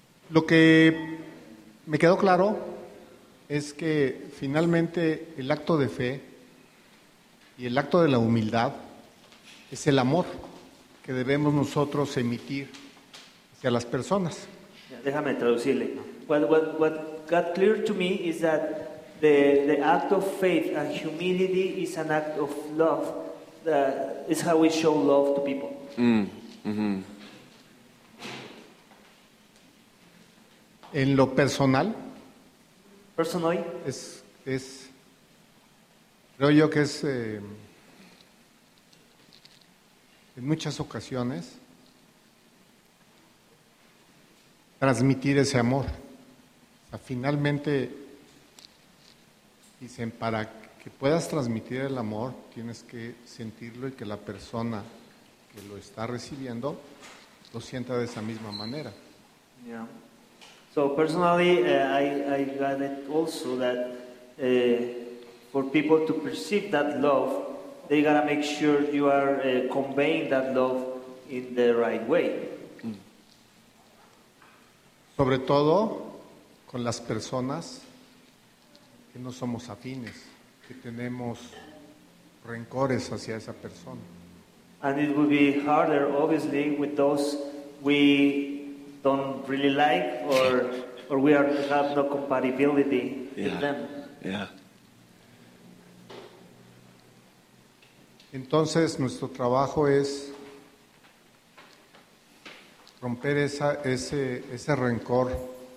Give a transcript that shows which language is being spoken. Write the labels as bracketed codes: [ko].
[es] Lo que me quedó claro es que finalmente el acto de fe y el acto de la humildad es el amor que debemos nosotros emitir hacia las personas. Déjame traducirle. [en] What got clear to me is that the act of faith and humility is an act of love. That is how we show love to people. Mm-hmm. [es] En lo personal. [en] Personally. [es] Es creo yo que es en muchas ocasiones transmitir ese amor. Finalmente, dicen, para que puedas transmitir el amor, tienes que sentirlo y que la persona que lo está recibiendo lo sienta de esa misma manera. Yeah. [en] So personally, I got it also that for people to perceive that love, they gotta make sure you are conveying that love in the right way. [es] Sobre todo con las personas que no somos afines, que tenemos rencores hacia esa persona. [en] And it would be harder, obviously, with those we don't really like or we have no compatibility with them. Yeah. [es] Entonces, nuestro trabajo es romper ese rencor.